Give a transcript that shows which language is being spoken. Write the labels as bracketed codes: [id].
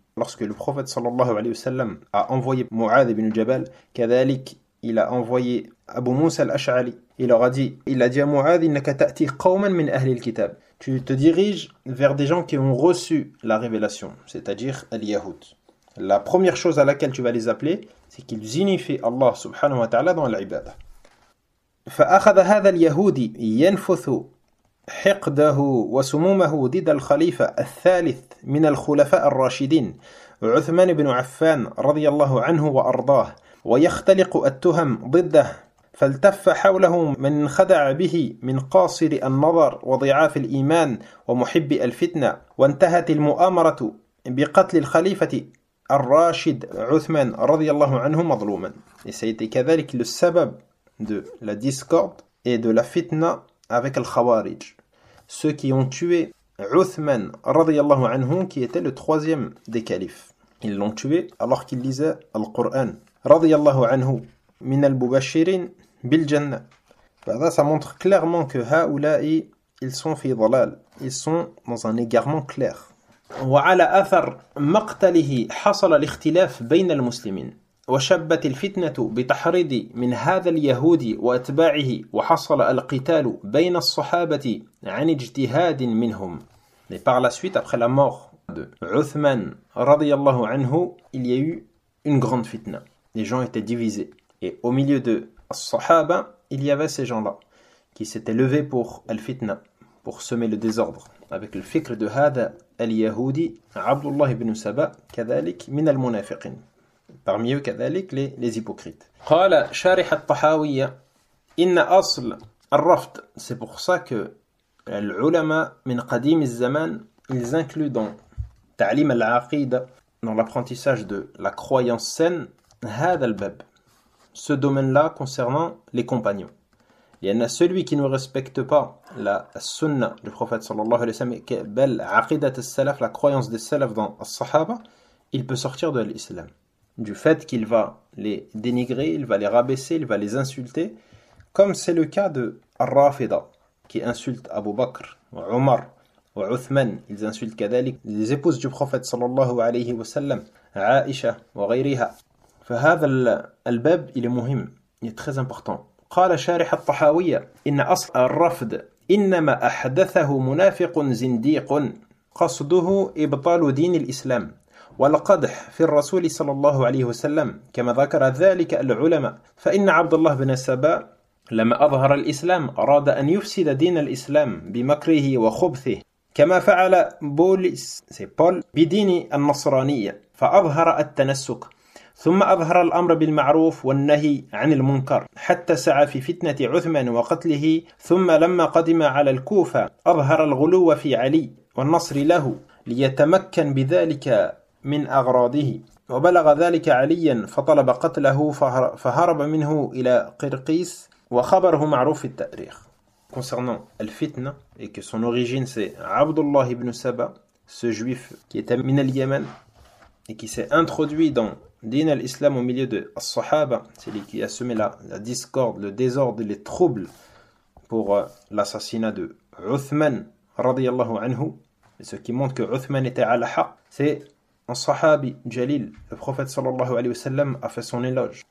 [fr] Lorsque le prophète sallallahu alayhi wa sallam a envoyé Mu'adh ibn Jabal, كذلك, il a envoyé Abu Musa al-Ash'ali. Il a dit à Mu'adh, [ar] innaka ta'ti qawman min ahli al-kitab. [fr] Tu te diriges vers des gens qui ont reçu la révélation, c'est-à-dire al-Yahoud. La première chose à laquelle tu vas les appeler, c'est qu'ils unifient Allah subhanahu wa ta'ala dans l'ibadah. [ar] فأخذ هذا اليهودي ينفث حقده وسمومه ضد الخليفة الثالث من الخلفاء الراشدين عثمان بن عفان رضي الله عنه وأرضاه ويختلق التهم ضده فالتف حوله من خدع به من قاصر النظر وضعاف الإيمان ومحب الفتنة وانتهت المؤامرة بقتل الخليفة الراشد عثمان رضي الله عنه مظلوما سيتي كذلك للسبب [fr] de la discorde et de la fitna avec Al-Khawarij, ceux qui ont tué Uthman radiyallahu anhu, qui était le troisième des califes. Ils l'ont tué alors qu'il lisait Al-Qur'an. Radiyallahu anhu, [ar] min al-Mubashirin bil-Jannah. [fr] Ça montre clairement que ha'ulai, ils sont [ar] fi dhalal. [fr] Ils sont dans un égarement clair. [ar] Wa ala athar maqtalihi hasala l'ikhtilaf bayna al-Muslimin. وشبت الفتنة بتحريض من هذا اليهودي وأتباعه وحصل القتال بين الصحابة عن اجتهاد منهم. [fr] Et par la suite, après la mort de Uthman رضي الله عنه, il y a eu une grande fitna. Les gens étaient divisés. Et au milieu de الصحابة, il y avait ces gens-là qui s'étaient levés pour الفتنة, pour semer le désordre. Avec le fikr de [ar] هذا اليهودي عبد الله بن سبا كذلك من المنافقين. [fr] Parmi eux, كذلك, les hypocrites. [ar] قال شارح الطحاوية إن أصل الرفض. [fr] C'est pour ça que [ar] العلماء من قديم الزمان, [fr] ils incluent dans [ar] تعليم العقيدة, [fr] dans l'apprentissage de la croyance saine, [ar] هذا الباب. [fr] Ce domaine-là concernant les compagnons. Il y en a celui qui ne respecte pas la sunna du prophète sallallahu alayhi wa sallam, [ar] بل عقيدة السلف, [fr] la croyance des salaf dans الصحابة, il peut sortir de l'islam. Du fait qu'il va les dénigrer, il va les rabaisser, il va les insulter, comme c'est le cas de Rafida, qui insulte Abu Bakr, Omar, Uthman, ils insultent كذلك, les épouses du prophète sallallahu alayhi wa sallam, Aisha, [ar] wa ghayriha. فهذا الباب, [fr] il est muhim, il est très important. [ar] قال شارح الطحاوية, إن أصل الرفض, إنما أحدثه منافق زنديق, قصده إبطال دين الإسلام. والقدح في الرسول صلى الله عليه وسلم كما ذكر ذلك العلماء فإن عبد الله بن سبا لما أظهر الإسلام أراد أن يفسد دين الإسلام بمكره وخبثه كما فعل بوليس بدين النصرانية فأظهر التنسك ثم أظهر الأمر بالمعروف والنهي عن المنكر حتى سعى في فتنة عثمان وقتله ثم لما قدم على الكوفة أظهر الغلو في علي والنصر له ليتمكن بذلك من أغراضه وبلغ ذلك عليا فطلب قتله فهرب منه إلى قرقيس وخبره معروف في التاريخ. [fr] Concernant al-fitna et que son origine c'est Abdullah ibn Saba, ce juif qui était [ar] min al-Yaman [fr] et qui s'est introduit dans din al-Islam au milieu de al-Sahaba, c'est lui qui a semé la discorde, le désordre, les troubles pour l'assassinat de Uthman radiyallahu anhu, ce qui montre que Uthman était [ar] ala haq, [fr] c'est un sahabi, Jalil, le prophète sallallahu alayhi wa sallam, a fait son éloge.